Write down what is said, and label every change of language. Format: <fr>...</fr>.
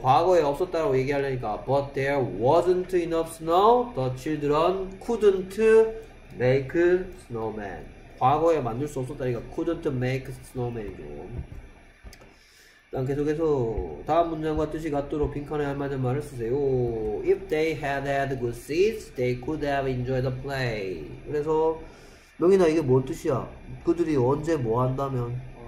<ko>과거에 없었다고 얘기하려니까</ko> <en>but there wasn't enough snow. the children couldn't make snowman.</en> <ko>과거에 만들 수 없었다니까</ko> <en>couldn't make snowman</en> <ko>이죠. 난 계속해서 다음 문장과 뜻이 같도록 빈칸에 알맞은 말을 쓰세요.</ko> <en>If they had had good seats, they could have enjoyed the play.</en> <ko>그래서 명인아 이게 뭔 뜻이야? 그들이 언제 뭐 한다면?</ko>